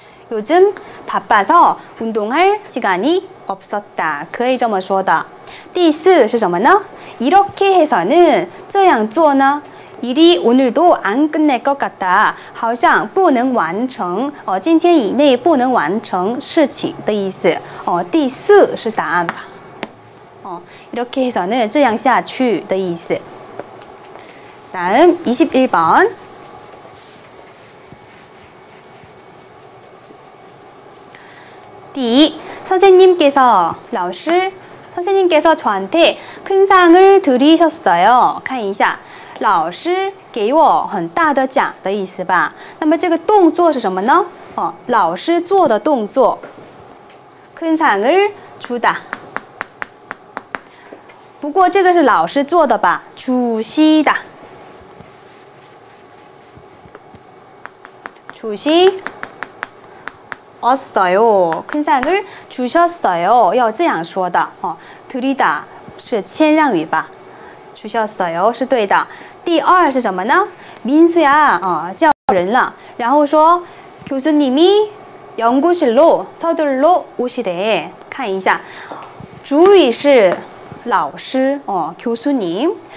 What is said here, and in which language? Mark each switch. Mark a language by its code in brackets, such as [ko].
[ko] 요즘 바빠서 운동할 시간이 없었다 [zh] 可以这么说的第四是什么呢 [ko] 이렇게 해서는 [zh] 这样做呢 [ko] 일이 오늘도 안 끝낼 것 같다 [zh] 好像不能完成今天以内不能完成事情的意思第四是答案吧 [ko] 이렇게 해서는 [zh] 这样下去的意思 [ko] 다음 21번 [zh] 第一 [ko] 선생님께서, 라오시, 선생님께서 저한테 큰 상을 드리셨어요. [zh] 看一下. 老师给我很大的奖的意思吧？那么这个动作是什么呢？哦，老师做的动作， [ko] 큰상을 주다。 [zh] 不过这个是老师做的吧？주시다。 [ko] 주시었어요，큰상을 주셨어요， [zh] 要这样说的哦。 [ko] 드리다是谦让语吧？주셨어요 [zh] 是对的。第二是什么呢? [ko] 민수야, [zh] 叫人了。然后说, [ko] 교수님이 연구실로 서둘러 오시래. [zh] 看一下, 주의是老师, 교수님.